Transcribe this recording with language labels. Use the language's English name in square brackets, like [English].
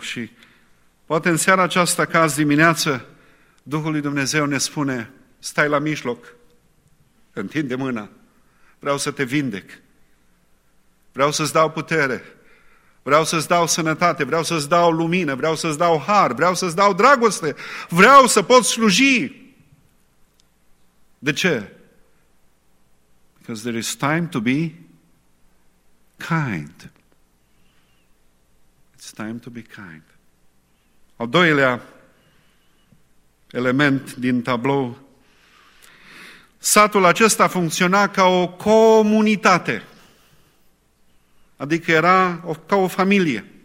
[Romanian] Și poate în seara aceasta, ca azi dimineață, Duhul lui Dumnezeu ne spune: stai la mijloc, întinde mâna, vreau să te vindec, vreau să-ți dau putere, vreau să-ți dau sănătate, vreau să-ți dau lumină, vreau să-ți dau har, vreau să-ți dau dragoste, vreau să pot sluji. De ce? [English] Because there is time to be kind. It's time to be kind. [Romanian] Al doilea element din tablou, satul acesta funcționa ca o comunitate, adică era ca o familie.